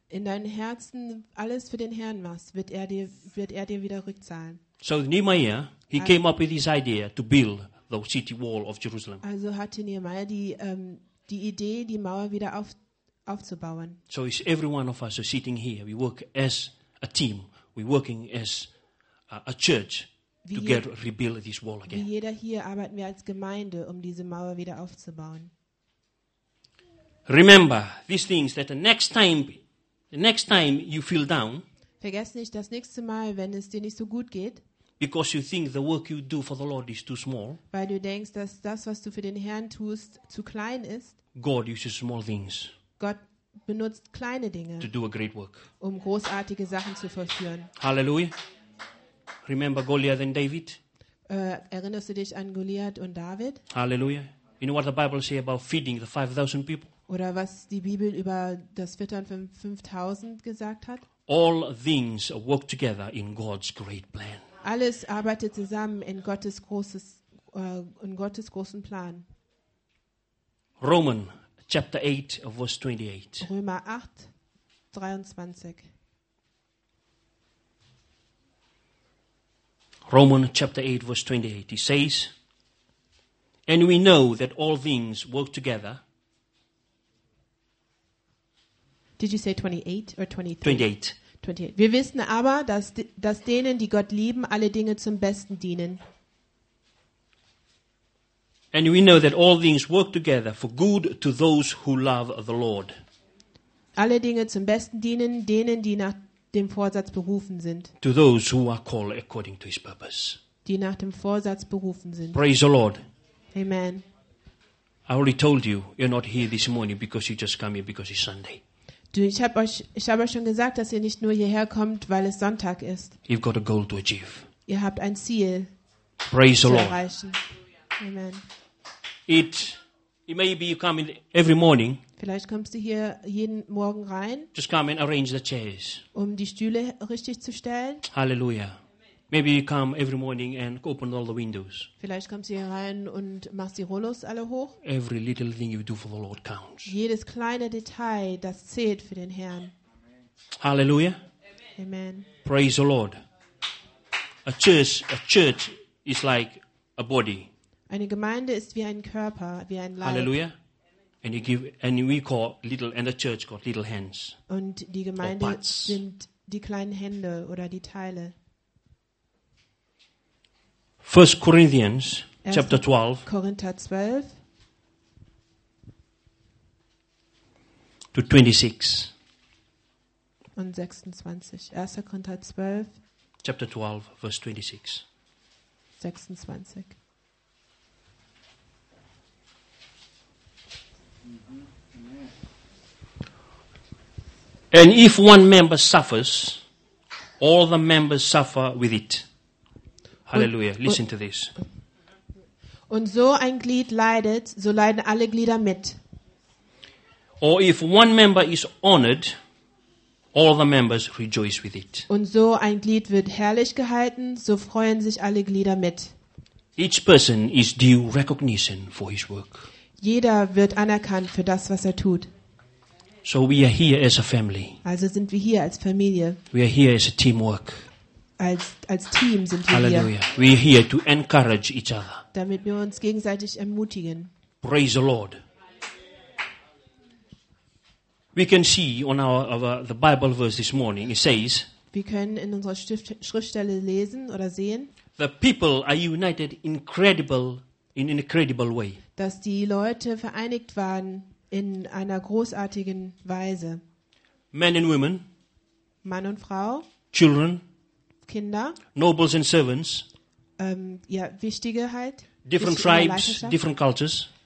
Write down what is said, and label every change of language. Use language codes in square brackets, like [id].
[de] In deinem Herzen alles für den Herrn machst, wird er dir wieder rückzahlen. [en] So Nehemiah, he came up with his idea to build the city wall of Jerusalem. [de] Also hatte Nehemiah die Idee, die Mauer wieder aufzubauen. [en] So is every one of us sitting here. We work as a team. We're working as a church to rebuild this wall again. [de] Wie jeder hier arbeiten wir als Gemeinde, um diese Mauer wieder aufzubauen. [en] Remember these things that the next time you feel down. [de] Vergesst nicht das nächste Mal, wenn es dir nicht so gut geht. [en] Because you think the work you do for the Lord is too small. [de] Weil du denkst, dass das, was du für den Herrn tust, zu klein ist. [en] God uses small things. [de] Gott benutzt kleine Dinge. [en] To do a great work. [de] Um großartige Sachen zu vollführen. [en] Hallelujah. Remember Goliath and David? [de] Erinnerst du dich an Goliath und David? Hallelujah. [en] You know what the Bible says about feeding the 5,000 people? [de] Oder was die Bibel über das Füttern von 5000 gesagt hat? [en] All things work together in God's great plan. [de] Alles arbeitet zusammen in Gottes großen Plan. [en] Romans chapter 8 verse 28. [de] Römer 8, 23. [en] Romans chapter 8 verse 28. He says, and we know that all things work together. Did you say 28 or 23? 28. 28. [de] Wir wissen aber, dass denen, die Gott lieben, alle Dinge zum Besten dienen. [en] And we know that all things work together for good to those who love the Lord. [de] Alle Dinge zum Besten dienen denen, die nach dem Vorsatz berufen sind. [en] To those who are called according to his purpose. [de] Die nach dem Vorsatz berufen sind. [en] Praise the Lord. Amen. I already told you, you're not here this morning because you just come here because it's Sunday. [de] Ich habe euch schon gesagt, dass ihr nicht nur hierher kommt, weil es Sonntag ist. [en] You've got a goal to achieve. [de] Ihr habt ein Ziel. [en] Praise [de] zu [en] the [de] erreichen. [en] Lord. Amen. It may be you come in every morning. [de] Vielleicht kommst du hier jeden Morgen rein. [en] Just come and arrange the chairs. [de] Um die Stühle richtig zu stellen. Hallelujah. [en] Maybe you come every morning and open all the windows. [de] Vielleicht kommst du hier rein und machst die Rollos alle hoch. [en] Every little thing you do for the Lord counts. [de] Jedes kleine Detail, das zählt für den Herrn. Hallelujah. Amen. Amen. [en] Praise the Lord. A church is like a body. [de] Eine Gemeinde ist wie ein Körper, wie ein Leib. [en] Hallelujah. And the church got little hands. [de] Und die Gemeinde sind die kleinen Hände oder die Teile. [en] 1 Corinthians chapter 12, [de] Korinther 12 [en] to 26 [de] und 26. 1. Korinther 12 [en] chapter 12 verse 26. 26. And if one member suffers, all the members suffer with it. Hallelujah. Listen to this. [de] Und so ein Glied leidet, so leiden alle Glieder mit. [en] Or if one member is honored, all the members rejoice with it. [de] Und so ein Glied wird herrlich gehalten, so freuen sich alle Glieder mit. [en] Each person is due recognition for his work. [de] Jeder wird anerkannt für das, was er tut. [en] So we are here as a family. [de] Also sind wir hier als Familie. [en] We are here as a teamwork. [de] Als Team sind wir Hallelujah. Hier. [en] We are here to encourage each other. [de] Damit wir uns gegenseitig ermutigen. [en] Praise the Lord. We can see on the Bible verse this morning. It says. [de] Wir können in unserer Schriftstelle lesen oder sehen. [en] The people are united in an incredible way. [de] Dass die Leute vereinigt waren in einer großartigen Weise. [en] Men and women. [de] Mann und Frau. [en] Children. [de] Kinder, [en] nobles and servants, [de] wichtige halt, [en] different tribes, different cultures,